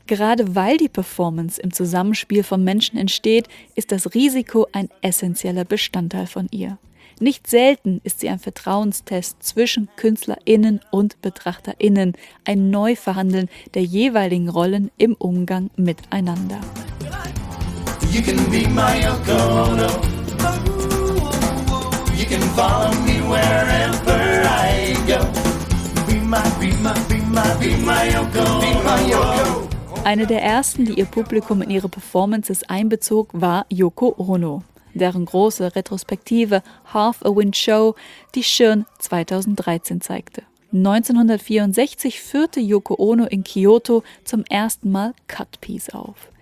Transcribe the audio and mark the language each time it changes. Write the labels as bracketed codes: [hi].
[de] Gerade weil die Performance im Zusammenspiel von Menschen entsteht, ist das Risiko ein essentieller Bestandteil von ihr. Nicht selten ist sie ein Vertrauenstest zwischen KünstlerInnen und BetrachterInnen, ein Neuverhandeln der jeweiligen Rollen im Umgang miteinander. [en] You can be my Yoko Ono. You can follow me wherever I go. Be my Yoko Ono. Be my Yoko. [de] Eine der ersten, die ihr Publikum in ihre Performances einbezog, war Yoko Ono. Deren große Retrospektive Half a Wind Show, die Schirn 2013 zeigte. 1964 führte Yoko Ono in Kyoto zum ersten Mal Cut Piece auf.